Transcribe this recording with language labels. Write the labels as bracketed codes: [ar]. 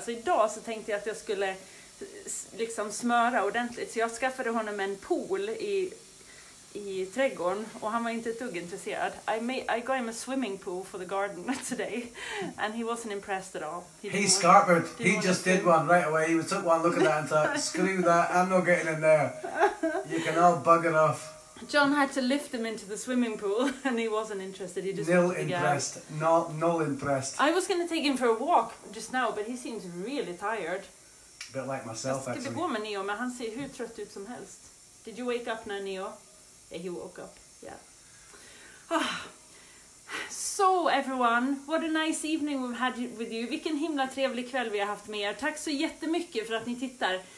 [sv] Så idag så tänkte jag att jag skulle... liksom smöra ordentligt. Så jag skaffade honom en pool i trädgården och han var inte ett dugg intresserad. [en] I got him a swimming pool for the garden today and he wasn't impressed at all. He scarpered. He just did one right away. He took one look at that and thought, screw that, I'm not getting in there. You can all bug it off. John had to lift him into the swimming pool and he wasn't interested. He just nil impressed. Not impressed. I was going to take him for a walk just now but he seems really tired. A bit like myself, actually. [sv] Ska vi gå med Neo, men han ser hur trött ut som helst. [en] Did you wake up now, Neo? Yeah, he woke up, yeah. Oh. So, everyone, what a nice evening we've had with you. [sv] Vilken himla trevlig kväll vi har haft med er. Tack så jättemycket för att ni tittar.